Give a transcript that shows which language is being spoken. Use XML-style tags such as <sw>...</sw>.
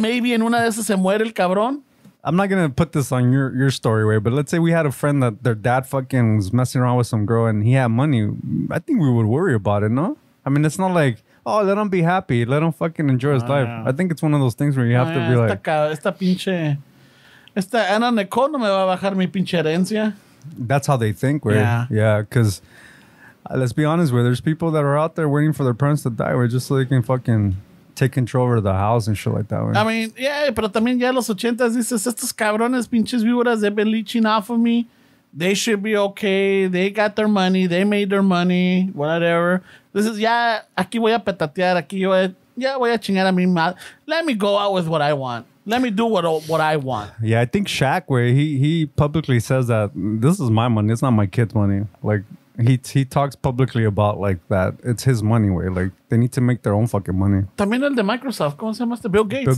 <en>maybe</en> <es>en una de esas se muere el cabrón.</es> <en>I'm not going to put this on your story, way, but let's say we had a friend that their dad fucking was messing around with some girl and he had money. I think we would worry about it, no? I mean, it's not like, oh, let him be happy. Let him fucking enjoy his life. Yeah. I think it's one of those things where you have to be like...</en> <es>Esta pinche... Esta Ana Nicole no me va a bajar mi pinche herencia.</es> <en>That's how they think, way. Yeah, because let's be honest, way, there's people that are out there waiting for their parents to die, way, just so they can fucking... take control over the house and shit like that. Right? I mean, yeah,</en> <es>pero también ya los ochentas dices, estos cabrones, pinches víboras,</es> <en>they've been leeching off of me. They should be okay. They got their money. They made their money. Whatever. This is,</en> <es>ya, aquí voy a petatear. Aquí yo, ya voy a chingar a mi madre.</es> <en>Let me go out with what I want. Let me do what I want. Yeah, I think Shaq, where he publicly says that, this is my money. It's not my kid's money. Like, he talks publicly about like that. It's his money, way. Like they need to make their own fucking money.</en> <es>También el de Microsoft, ¿cómo se llama? Bill Gates.</es>